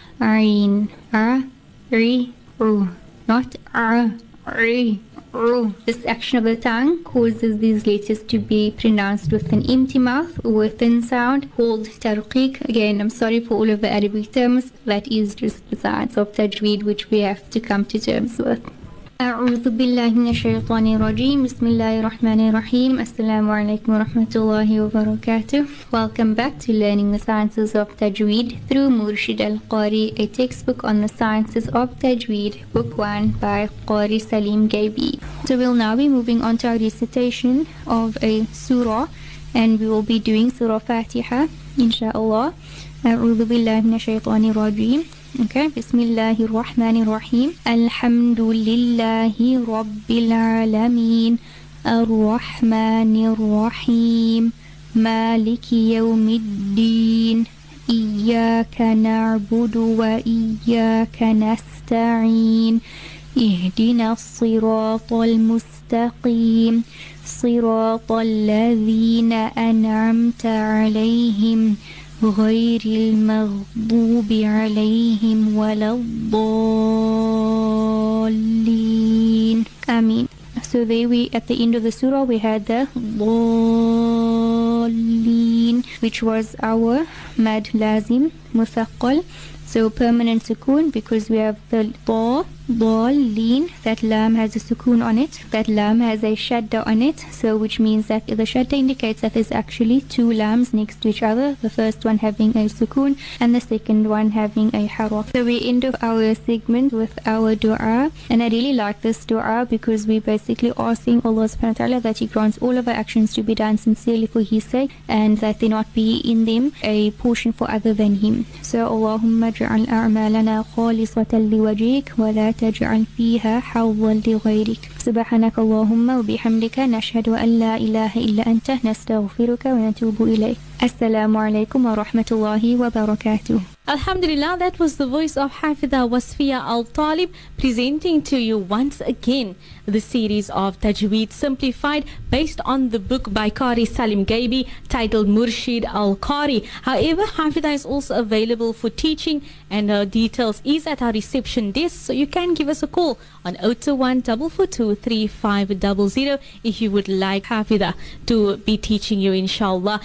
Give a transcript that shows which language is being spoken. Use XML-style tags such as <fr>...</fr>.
<en>Ayn, a, ri, ru, not a, ri. This action of the tongue causes these letters to be pronounced with an empty mouth or a thin sound called tarqiq. Again, I'm sorry for all of the Arabic terms. That is just the science of tajweed, which we have to come to terms with.</en> <ar>أعوذ بالله من الشيطان الرجيم بسم الله الرحمن الرحيم السلام عليكم ورحمة الله وبركاته.</ar> <en>Welcome back to Learning the Sciences of Tajweed through Murshid Al-Qari, a textbook on the sciences of Tajweed, book 1 by Qari Salim Gaby. So we'll now be moving on to our recitation of a surah, and we will be doing Surah Fatiha inshallah.</en> <ar>أعوذ بالله من الشيطان الرجيم.</ar> <en>Okay,</en> <ar>Bismillahi Rahmani Rahim. Alhamdulillahi Rabbil Alameen. Ar-Rahmani Rahim. Maliki Yawmiddin. Iyaka Na'budu wa Iyaka Nasta'een. Ihdina Siratul Mustaqim. Siratul Ladhina An'amta Alayhim. غير المغضوب عليهم ولا الضالين. آمين.</ar> <en>So there we, at the end of the surah, we had the ضالين, which was our mad lazim, مثقل. So permanent sukoon, because we have the ضالين, that lam has a sukoon on it, that lam has a shadda on it, so which means that the shadda indicates that there's actually two lams next to each other, the first one having a sukoon and the second one having a harak. So we end up our segment with our dua, and I really like this dua because we basically asking Allah subhanahu wa ta'ala that He grants all of our actions to be done sincerely for His sake, and that there not be in them a portion for other than Him. So</en> <ar>Allahumma ja'al a'malana khalisatan liwajhik wa la تجعل فيها حظا لغيرك سبحانك اللهم وبحمدك نشهد أن لا إله إلا أنت نستغفرك ونتوب إليك Assalamu alaikum wa rahmatullahi wa barakatuh.</ar> <en>Alhamdulillah, that was the voice of Haafitha Wasfeeya Altalib presenting to you once again the series of Tajweed Simplified based on the book by Qari Salim Gaby titled Murshid Al-Qari. However, Haafitha is also available for teaching, and her details is at our reception desk, so you can give us a call on 021-442-3500 if you would like Haafitha to be teaching you, inshallah.</en>